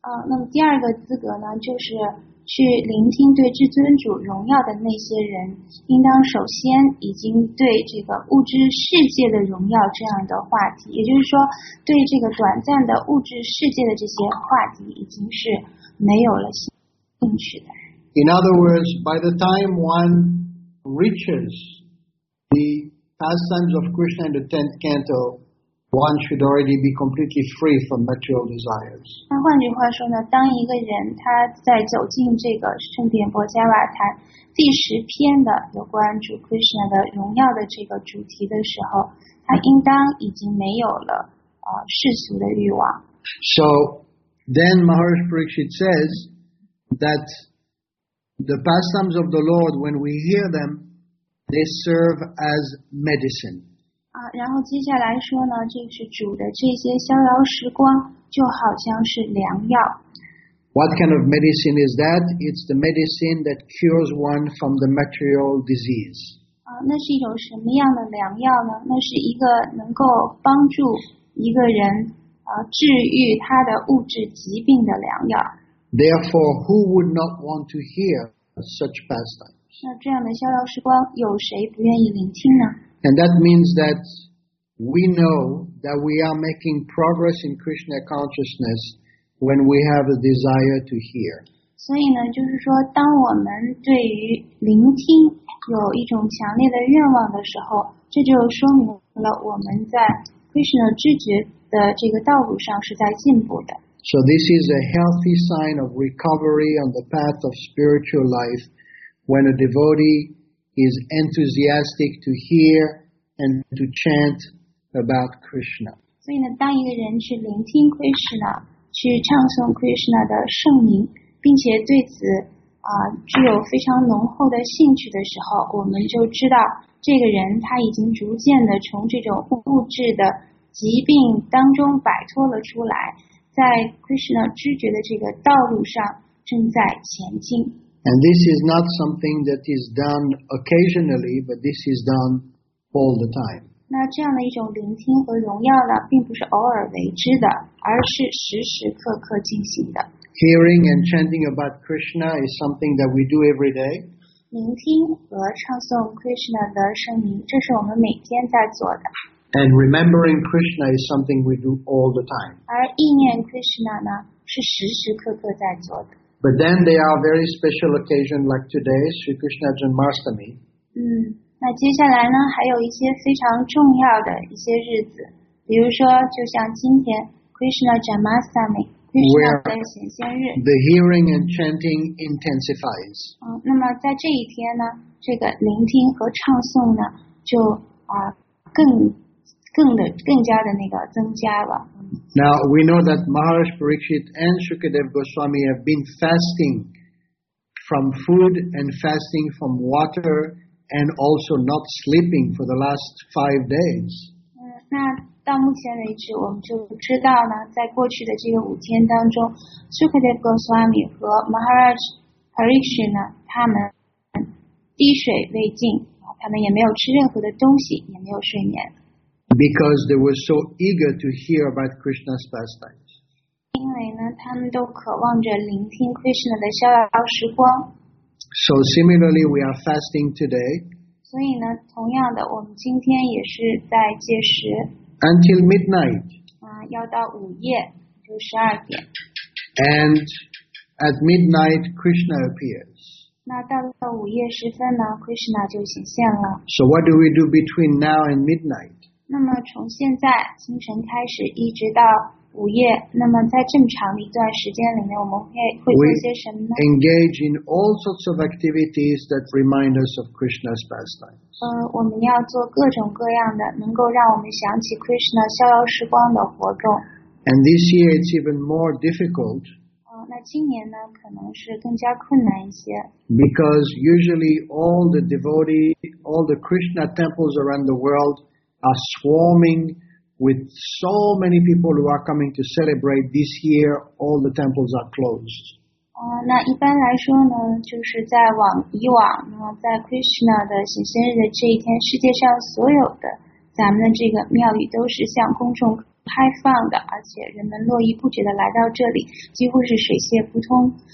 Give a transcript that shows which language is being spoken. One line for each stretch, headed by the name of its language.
Chinese: 那么第二个资格呢，就是去聆听对至尊主荣耀的那些人，应当首先已经对这个物质世界的荣耀这样的话题，也就是说，对这个短暂的物质世界的这些话题已经是没有了兴趣的。
English: In other words, by the time one reaches the pastimes of Krishna in the 10th canto, one should already be completely free from material desires.
Chinese: 那换句话说呢，当一个人他在走进这个圣殿波加瓦坛第十篇的有关主 Krishna 的荣耀的这个主题的时候，他应当已经没有了世俗的欲望。
English: So then Maharaj Parikshit says that the pastimes of the Lord, when we hear them, they serve as medicine.
Chinese: 然后接下来说呢，这是主的这些逍遥时光就好像是良药。
English: What kind of medicine is that? It's the medicine that cures one from the material disease.
Chinese: 那是一种什么样的良药呢？那是一个能够帮助一个人治愈他的物质疾病的良药。
English: Therefore, who would not want to hear such pastimes?
Chinese: 那这样的逍遥时光，有谁不愿意聆听呢？
English: And that means that we know that we are making progress in Krishna consciousness when we have a desire to hear.
Chinese: 所以呢，就是说，当我们对于聆听有一种强烈的愿望的时候，这就说明了我们在 Krishna 知觉的这个道路上是在进步的。
English: So this is a healthy sign of recovery on the path of spiritual life when a devotee is enthusiastic to hear and to chant about Krishna.
Chinese: 所以呢，当一个人去聆听 Krishna, 去唱诵 Krishna 的圣名，并且对此具有非常浓厚的兴趣的时候，我们就知道这个人他已经逐渐的从这种物质的疾病当中摆脱了出来。在 Krishna 知觉的这个道路上正在前进。
English: And this is not something that is done occasionally, but this is done all the time.
Chinese: 那这样的一种聆听和荣耀呢，并不是偶尔为之的，而是时时刻刻进行的。
English: Hearing and chanting about Krishna is something that we do every day.
Chinese: 聆听和唱诵 Krishna 的声音，这是我们每天在做的。
English: And remembering Krishna is something we do all the time.
Chinese: 而意念 Krishna 呢，是时时刻刻在做的。
English: But then there are very special occasions like today, Sri Krishna Janmashtami.
Chinese: 那接下来呢，还有一些非常重要的一些日子，比如说，就像今天 Krishna Janmashtami, Krishna 的显现日。
English: The hearing and chanting intensifies.
Chinese: 那么在这一天呢，这个聆听和唱诵呢，就更加的那个增加了。
English: Now we know that Maharaj Parikshit and Shukadev Goswami have been fasting from food and fasting from water and also not sleeping for the last 5 days.
Chinese: 那到目前为止，我们就知道呢，在过去的这个五天当中 ，Shukadev Goswami 和 Maharaj Parikshit 呢，他们滴水未进，他们也没有吃任何的东西，也没有睡眠。
English: Because they were so eager to hear about Krishna's pastimes.
Chinese: 因为呢，他们都渴望着聆听 Krishna 的逍遥时光。
English: So similarly, we are fasting today.
Chinese: 所以呢，同样的，我们今天也是在戒食。
English: Until midnight.
Chinese: 要到午夜，就12点。
English: And at midnight, Krishna appears.
Chinese: 那到了午夜时分呢 ，Krishna 就显现了。
English: So what do we do between now and midnight?
Chinese: 那么从现在清晨开始一直到午夜，那么在这么长的一段时间里面，我们会做些什么呢？
English: We engage in all sorts of activities that remind us of Krishna's pastimes.
Chinese: 我们要做各种各样的能够让我们想起 Krishna 逍遥时光的活动。
English: And this year it's even more difficult.
Chinese: 那今年呢，可能是更加困难一些。
English: Because usually all the Krishna temples around the world. Are swarming with so many people who are coming to celebrate this year. All the temples are closed.
Chinese: 那一般来说呢，就是在以往，那么在 Krishna 的显现日的这一天，世界上所有的咱们的这个庙宇都是向公众开放的，而且人们络绎不绝的来到这里，几乎是水泄不通。